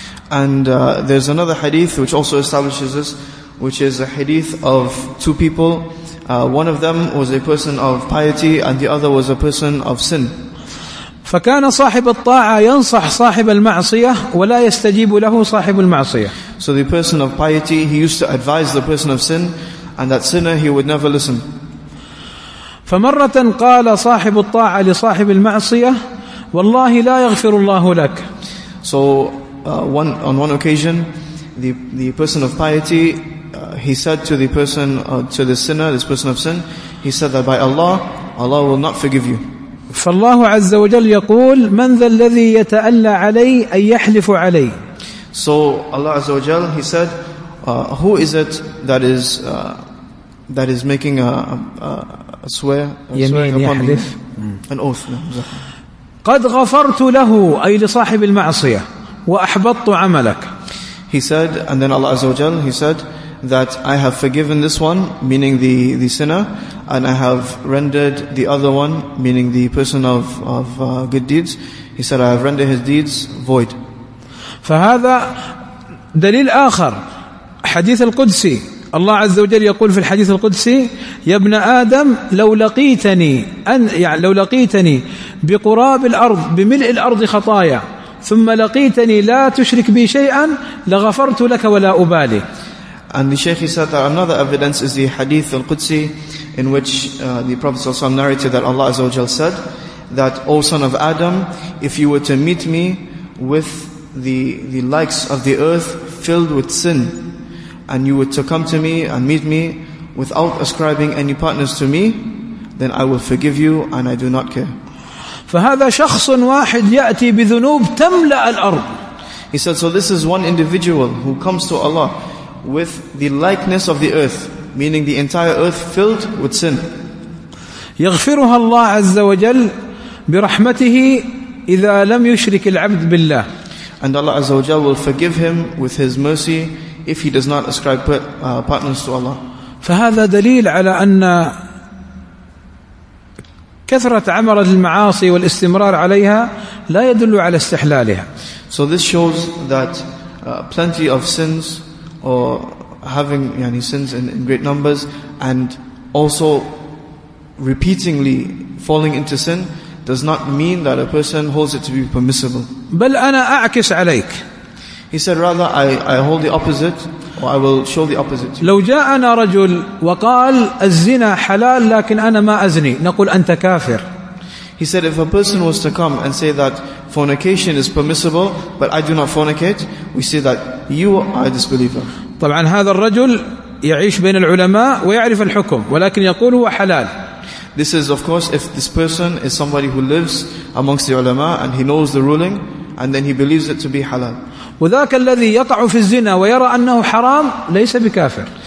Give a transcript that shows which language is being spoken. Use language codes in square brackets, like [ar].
[en] And there's another hadith which also establishes this, which is a hadith of two people. One of them was a person of piety and the other was a person of sin. [ar] فكان صاحب الطاعة ينصح صاحب المعصية ولا يستجيب له صاحب المعصية. [en] So the person of piety, he used to advise the person of sin, and that sinner, he would never listen. [ar] فمرة قال صاحب الطاعة لصاحب المعصية والله لا يغفر الله لك. [en] So on one occasion the person of piety he said to the person to the sinner, this person of sin, he said that by Allah will not forgive you. [ar] فالله عز وجل يقول من ذا الذي يتألى علي أن يحلف علي. [en] So Allah [ar] عز وجل, [en] he said, who is it that is making a swear, upon [ar] يحلف. [en] An oath. [ar] قد غفرت له أي لصاحب المعصية وأحبطت عملك. [en] He said, and then Allah [ar] عز وجل, [en] he said, that I have forgiven this one, meaning the sinner, and I have rendered the other one, meaning the person of good deeds. He said, I have rendered his deeds void. [ar] فهذا دليل آخر حديث القدسي. الله عز وجل يقول في الحديث القدسي يا ابن آدم لو لقيتني أن يعني لو لقيتني بقراب الأرض بملء الأرض خطايا ثم لقيتني لا تشرك بي شيئا لغفرت لك ولا أبالي. [en] And the Shaykh said that another evidence is the hadith al-Qudsi in which the Prophet ﷺ narrated that Allah Azza wa Jal said that, O son of Adam, if you were to meet me with the likes of the earth filled with sin, and you were to come to me and meet me without ascribing any partners to me, then I will forgive you and I do not care. [ar] فهذا شخص واحد يأتي بذنوب تملأ الأرض. [en] He said, so this is one individual who comes to Allah with the likeness of the earth, meaning the entire earth filled with sin. [ar] يغفرها الله عز وجل برحمته إذا لم يشرك العبد بالله. [en] And Allah [ar] عز وجل [en] will forgive him with his mercy if he does not ascribe partners to Allah. [ar] فهذا دليل على أن كثرة عمر المعاصي والاستمرار عليها لا يدل على استحلالها. [en] So this shows that plenty of sins or having [ar] يعني [en] sins in great numbers and also repeatedly falling into sin does not mean that a person holds it to be permissible. [ar] بل أنا أعكس عليك. [en] He said, rather I hold the opposite, or I will show the opposite. [ar] لو جاءنا رجل وقال الزنا حلال لكن أنا ما أزني نقول أنت كافر. [en] He said, if a person was to come and say that fornication is permissible but I do not fornicate, we say that you are a disbeliever. [ar] طبعا هذا الرجل يعيش بين العلماء ويعرف الحكم ولكن يقول هو حلال. [en] This is of course if this person is somebody who lives amongst the ulama and he knows the ruling and then he believes it to be halal. [ar] وذاك الذي يقع في الزنا ويرى أنه حرام ليس بكافر.